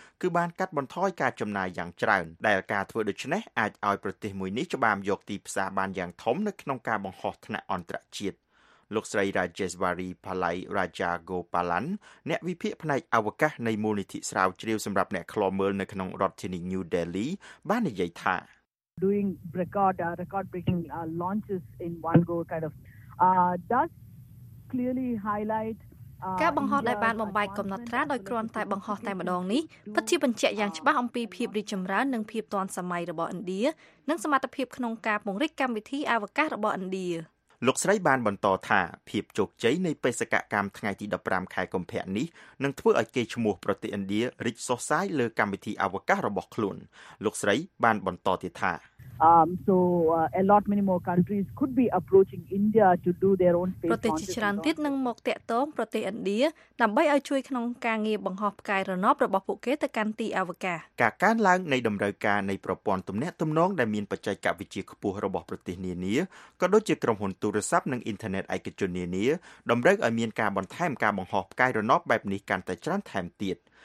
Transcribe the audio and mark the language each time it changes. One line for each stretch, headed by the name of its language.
Khmer: គឺបានកាត់បន្ថយការចំណាយយ៉ាងច្រើនដែលការធ្វើដូច្នេះអាចឲ្យប្រទេសមួយនេះច្បាមយកទីផ្សារបានយ៉ាងធំនៅក្នុងការបង្ហោះថ្នាក់អន្តរជាតិលោកស្រី Rajeshwari Palai Rajagopalan អ្នកវិភាគផ្នែកអវកាសនៃមូលនិធិស្រាវជ្រាវសម្រាប់អ្នកឃ្លាំមើលនៅក្នុងរដ្ឋធានី New Delhi បាននិយាយថា
English: doing record breaking launches in one go does clearly highlight
Khmer: ការបង្ហោះដែលបានបំបែកកំណត់ត្រាដោយគ្រាន់តែបង្ហោះតែម្ដងនេះពិតជាបញ្ជាក់យ៉ាងច្បាស់អំពីភាពរីកចម្រើននិងភាពទាន់សម័យរបស់ឥណ្ឌានិងសមត្ថភាពក្នុងការពង្រីកកម្មវិធីអវកាសរបស់ឥណ្ឌា លោកស្រីបានបន្តថាភាពជោគជ័យនៃបេសកកម្មថ្ងៃទី15ខែកុម្ភៈនេះនឹងធ្វើឲ្យគេឈ្មោះប្រទេសឥណ្ឌារីកសុះសាយលើកម្មវិធីអវកាសរបស់ខ្លួនលោកស្រីបានបន្តទៀតថា
English: a lot many more countries could be approaching India to do their own space
Khmer: ប្រទេសជាច្រើនទៀតនឹងមកតាក់ទងប្រទេសឥណ្ឌាដើម្បីឲ្យជួយក្នុងការងារបង្ហោះផ្កាយរណបរបស់ពួកគេទៅកាន់ទីអវកាស ការកើនឡើងនៃតម្រូវការនៃប្រព័ន្ធទំនាក់ទំនងដែលមានបច្ចេកវិទ្យាខ្ពស់របស់ប្រទេសនានាក៏ដូចជាក្រុមហ៊ុនទូរស័ព្ទនិងអ៊ីនធឺណិតឯកជននានាតម្រូវឲ្យមានការបន្ថែមការបង្ហោះផ្កាយរណបបែបនេះកាន់តែច្រើនថែមទៀត